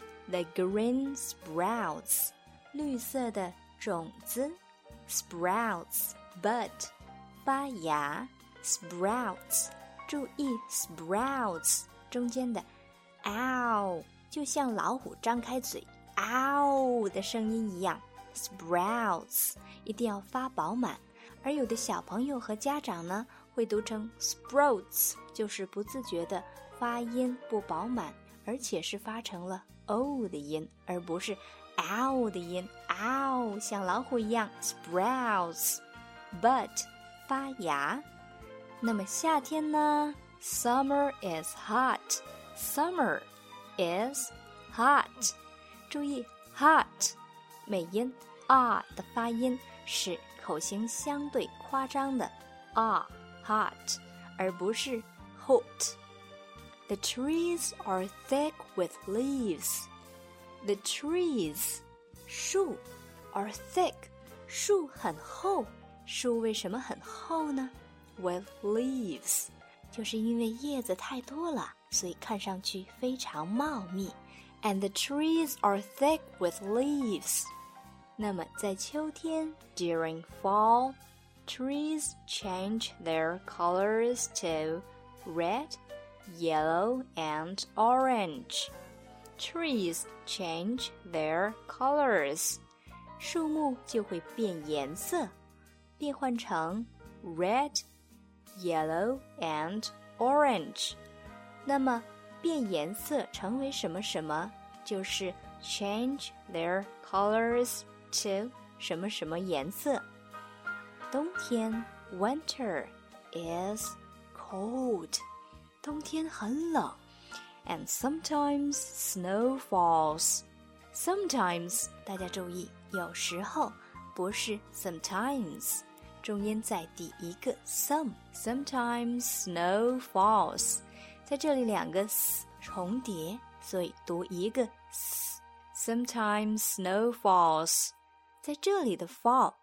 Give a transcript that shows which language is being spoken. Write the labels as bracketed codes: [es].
[en] The green sprouts, [zh] 绿色的种子 [en] sprouts bud, [zh] 发芽 [en] sprouts. [zh] 注意 sprouts 中间的 ow 就像老虎张开嘴 ow 的声音一样 sprouts 一定要发饱满。而有的小朋友和家长呢，会读成 sprouts， 就是不自觉的发音不饱满，而且是发成了 o 的音，而不是 ow 的音。 ow 像老虎一样 sprouts， but 发芽。那么夏天呢？ [en] Summer is hot. Summer is hot. [zh] 注意 hot 美音 ah 的发音是口型相对夸张的 ah。 Hot, 而不是 hot. [en] The trees are thick with leaves. The trees, 树 are thick, [zh] 树很厚。树为什么很厚呢？ [en] With leaves, [zh] 就是因为叶子太多了，所以看上去非常茂密。 [en] And the trees are thick with leaves. [zh] 那么在秋天 [en] during fall,Trees change their colors to red, yellow, and orange. Trees change their colors. [zh] 树木就会变颜色，变换成 [en] red, yellow, and orange. [zh] 那么变颜色成为什么什么，就是 [en] change their colors to [zh] 什么什么颜色。冬天 [en] winter is cold. [zh] 冬天很冷 [en] And sometimes snow falls. [zh] Sometimes, 大家注意，有时候不是 sometimes, 重音在第一个 some. [en] Sometimes snow falls. [zh] 在这里两个 s 重叠，所以读一个 s. [en] Sometimes snow falls. [zh] 在这里的 [en] fall.